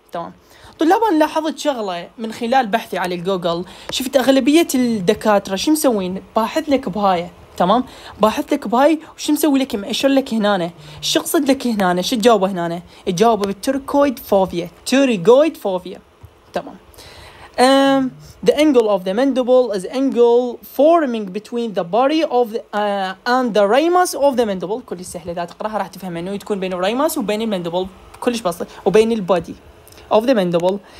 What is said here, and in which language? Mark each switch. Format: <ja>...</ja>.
<ar>تمام طلاب، انا لاحظت شغله من خلال بحثي على الجوجل، شفت اغلبيه الدكاتره شو مسوين؟ باحث لك بهاي، تمام، باحث لك بهاي، وش مسوي لك؟ مأشر لك هنا، شو اقصد لك هنا؟ شو تجاوبه هنا؟ تجاوبه بالتيروغويد فوفيا، تيروغويد فوفيا.</ar> <en>تمام، the angle of the mandible is angle forming between the body of the, and the ramus of the mandible.</en> <ar>كل سهلة إذا تقرأها راح تفهم إنه تكون بين الريماس وبين المندبل، كلش بسيط، وبين البادي of the mandible.</ar>